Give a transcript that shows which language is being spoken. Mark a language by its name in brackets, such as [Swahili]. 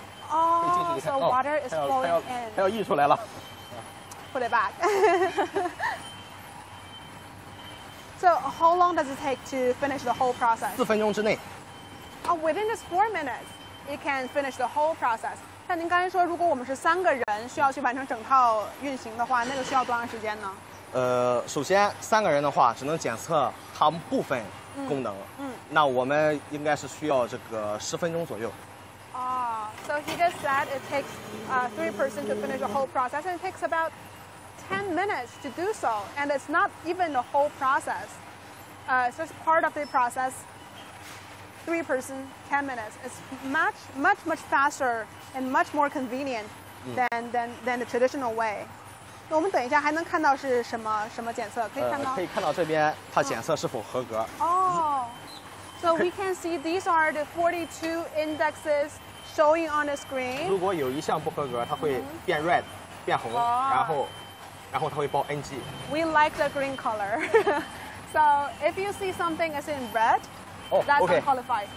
[English] Oh, so water is flowing in. [Chinese] 它要溢出来了。 [English] Put it back. So how long does it take to finish the whole process? [Chinese] 4分钟之内。 [English] Oh, within just 4 minutes, it can finish the whole process. [Chinese] 但您刚才说，如果我们是三个人需要去完成整套运行的话，那个需要多长时间呢？首先三个人的话，只能检测它部分功能。嗯。那我们应该是需要这个10分钟左右。 [English] So he just said it takes three persons to finish the whole process, and it takes about 10 minutes to do so, and it's not even the whole process. It's just part of the process. 3 persons, 10 minutes. It's much, much, much faster and much more convenient than the traditional way. [Chinese] 那我们等一下还能看到是什么检测？可以看到？可以看到这边它检测是否合格。 [English] So we can see these are the 42 indexes showing on the screen. [Chinese] 如果有一项不合格，它会变 red, 变红，然后它会报 NG. [English] We like the green color. So if you see something is in red, that's unqualified.